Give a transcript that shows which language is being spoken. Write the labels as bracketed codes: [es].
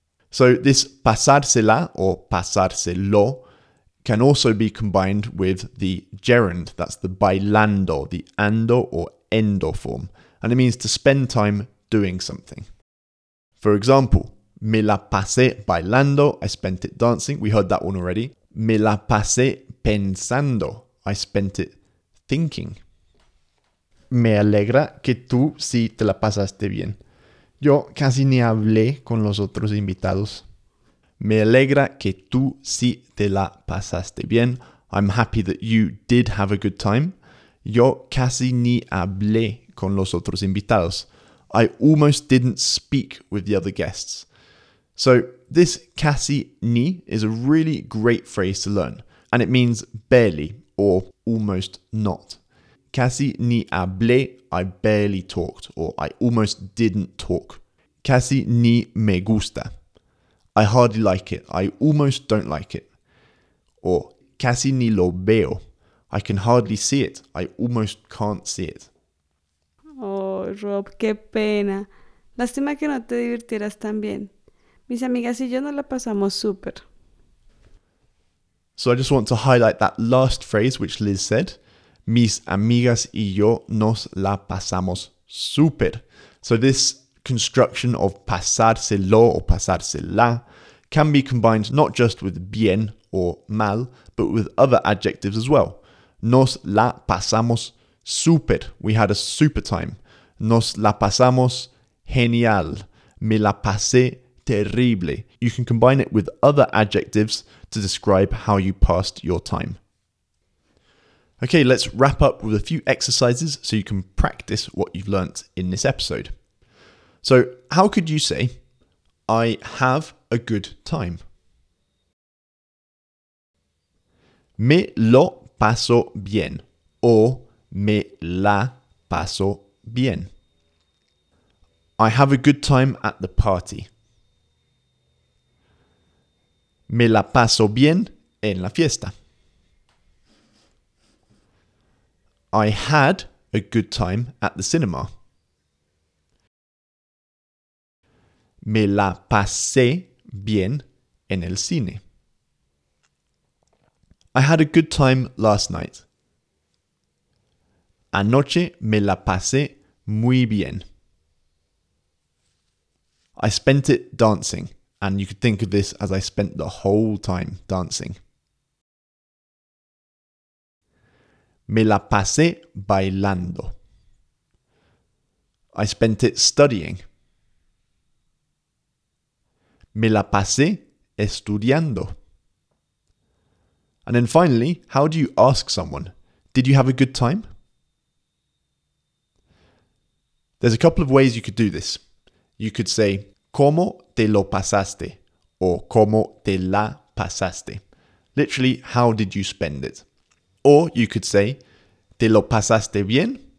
[en] So this pasársela or pasárselo can also be combined with the gerund, that's the bailando, the ando or endo form. And it means to spend time doing something. For example, [es] me la pasé bailando, [en] I spent it dancing. We heard that one already. [es] Me la pasé pensando, [en] I spent it thinking. [es] Me alegra que tú sí te la pasaste bien. Yo casi ni hablé con los otros invitados. Me alegra que tú sí te la pasaste bien. [en] I'm happy that you did have a good time. [es] Yo casi ni hablé con los otros invitados. [en] I almost didn't speak with the other guests. So this casi ni is a really great phrase to learn. And it means barely or almost not. [es] Casi ni hablé, [en] I barely talked, or I almost didn't talk. [es] Casi ni me gusta, [en] I hardly like it, I almost don't like it. Or [es] casi ni lo veo, [en] I can hardly see it, I almost can't see it. [es] Oh, Rob, qué pena. Lástima que no te divirtieras tan bien. Mis amigas y yo nos la pasamos súper. [en] So I just want to highlight that last phrase which Liz said. [es] Mis amigas y yo nos la pasamos súper. [en] So this construction of pasárselo or pasársela can be combined not just with bien or mal, but with other adjectives as well. [es] Nos la pasamos súper. [en] We had a super time. [es] Nos la pasamos genial. Me la pasé terrible. [en] You can combine it with other adjectives to describe how you passed your time. Okay, let's wrap up with a few exercises so you can practice what you've learnt in this episode. So, how could you say, I have a good time? [es] Me lo paso bien. Or, me la paso bien. [en] I have a good time at the party. [es] Me la paso bien en la fiesta. [en] I had a good time at the cinema. [es] Me la pasé bien en el cine. [en] I had a good time last night. [es] Anoche me la pasé muy bien. [en] I spent it dancing. And you could think of this as I spent the whole time dancing. [es] Me la pasé bailando. [en] I spent it studying. [es] Me la pasé estudiando. [en] And then finally, how do you ask someone? Did you have a good time? There's a couple of ways you could do this. You could say, [es] ¿Cómo te lo pasaste? Or ¿Cómo te la pasaste? [en] Literally, how did you spend it? Or you could say, [es] ¿Te lo pasaste bien?